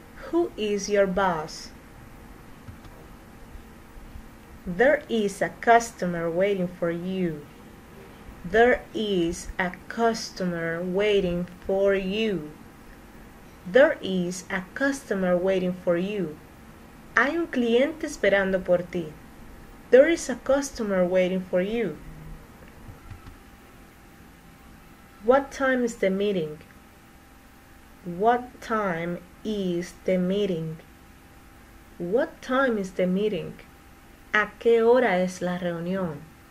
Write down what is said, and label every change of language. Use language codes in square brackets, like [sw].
[en] Who is your boss? There is a customer waiting for you. There is a customer waiting for you. There is a customer waiting for you. [es] Hay un cliente esperando por ti. [en] There is a customer waiting for you. What time is the meeting? What time is the meeting? What time is the meeting? [es] ¿A qué hora es la reunión?